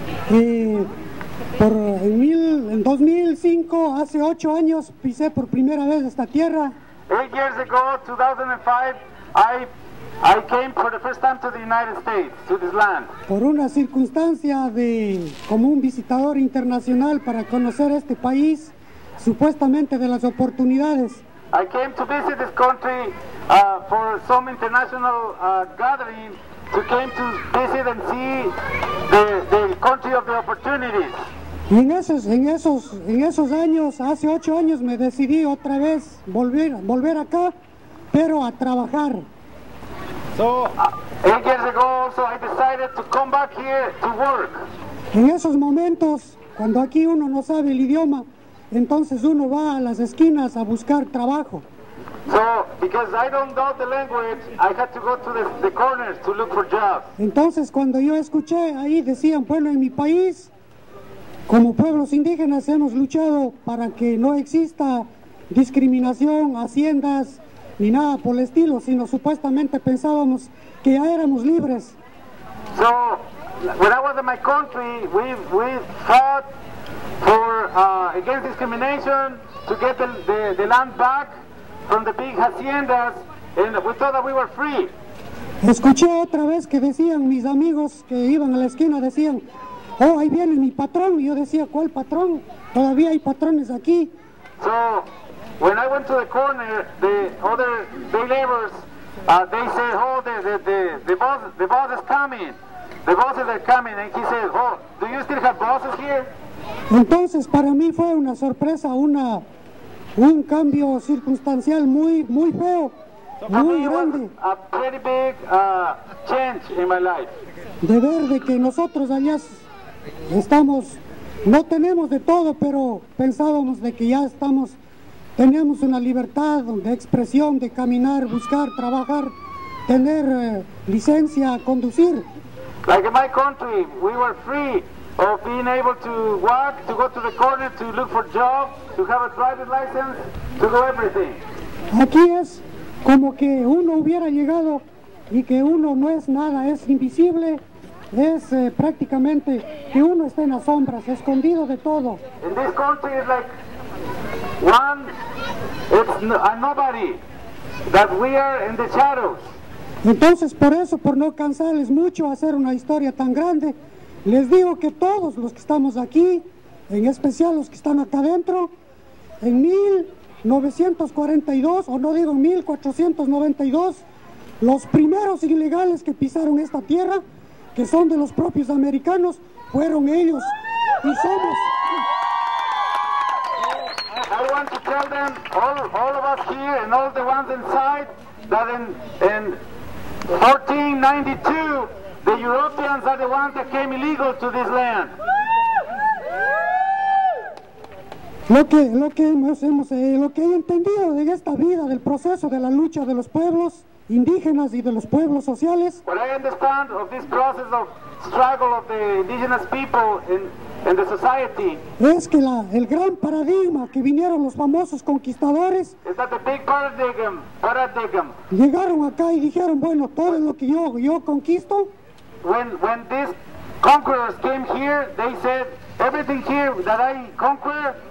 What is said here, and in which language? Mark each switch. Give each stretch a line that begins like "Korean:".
Spanish: En 2005, hace 8 años, pisé por primera vez esta tierra.
English: 8 years ago, 2005, I came for the first time to the United States, to this land.
Spanish: Por una circunstancia de como un visitador internacional para conocer este país, supuestamente de las oportunidades.
English: I came to visit this country for some international gathering to came to visit and see the country of the opportunities.
Spanish: Y en esos años, hace 8 años, me decidí otra vez volver acá, pero a trabajar.
English: So 8 years ago, so I decided to come back here to work.
Spanish: En esos momentos, cuando aquí uno no sabe el idioma, entonces uno va a las esquinas a buscar trabajo.
English: So, because I don't know the language, I had to go to the corners to look for jobs.
Spanish: Entonces cuando yo escuché ahí decían, bueno, en mi país, como pueblos indígenas hemos luchado para que no exista discriminación, haciendas, ni nada por el estilo, sino supuestamente pensábamos que ya éramos libres.
English: So, when I was in my country, we fought against discrimination to get the land back from the big haciendas, and we thought that we were free.
Spanish: Escuché otra vez que decían mis amigos que iban a la esquina, decían, oh, ahí viene mi patrón. Y yo decía, ¿cuál patrón? Todavía hay patrones aquí.
English: So, when I went to the corner, the other day laborers, they said, oh, the boss is coming. The bosses are coming. And he said, oh, do you still have bosses here?
Spanish: Entonces, para mí fue una sorpresa, un cambio circunstancial muy, muy feo, muy grande.
English: A pretty big change in my life.
Spanish: De ver de que nosotros allá estamos, no tenemos de todo, pero pensábamos de que ya estamos, tenemos una libertad de expresión, de caminar, buscar, trabajar, tener licencia, conducir.
English: Like in my country, we were free of being able to walk, to go to the corner, to look for job, to have a driver's license, to do everything.
Spanish: Aquí es como que uno hubiera llegado y que uno no es nada, es invisible, es prácticamente que uno está en las sombras, escondido de todo.
English: In this country it's like one, it's a nobody, that we are in the shadows.
Spanish: Entonces por eso, por no cansarles mucho hacer una historia tan grande, les digo que todos los que estamos aquí, en especial los que están acá adentro, en 1942, o no digo 1492, los primeros ilegales que pisaron esta tierra, que son de los propios americanos, fueron ellos. y somos.
English: I want to tell them, all of us here and all the ones inside, that in 1492, the Europeans are the ones that came illegal to this land.
Spanish: Lo que he entendido de esta vida, del proceso de la lucha de los pueblos indígenas y de los pueblos sociales.
English: What I understand of this process of struggle of the indigenous people in the society.
Spanish: Es que el gran paradigma que vinieron los famosos conquistadores.
English: Is that the big paradigm.
Spanish: Llegaron acá y dijeron, bueno, todo lo que yo conquisto.
English: When these conquerors came here, they said, everything here that I conquer.